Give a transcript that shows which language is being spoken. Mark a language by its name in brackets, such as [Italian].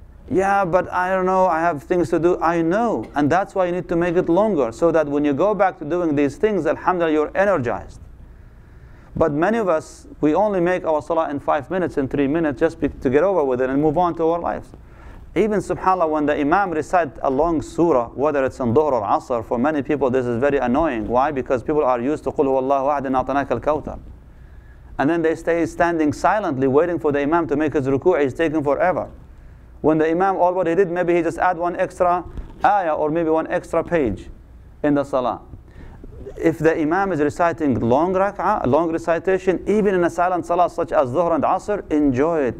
[English] Yeah, but I don't know, I have things to do. I know, and that's why you need to make it longer, so that when you go back to doing these things, alhamdulillah, you're energized. But many of us, we only make our salah in 5 minutes, in 3 minutes, just to get over with it and move on to our lives. Even subhanAllah, when the imam recites a long surah, whether it's in dhuhr or asr, for many people this is very annoying. Why? Because people are used to [Arabic] قُلْ هُوَ اللَّهُ أَحَدٍ أَعْطَنَاكَ الْكَوْثَرِ. [English] And then they stay standing silently waiting for the imam to make his ruku'. It's taking forever. When the imam, all what he did, maybe he just add one extra ayah or maybe one extra page in the salah. If the imam is reciting long rak'ah, long recitation, even in a silent salah such as dhuhr and asr, enjoy it.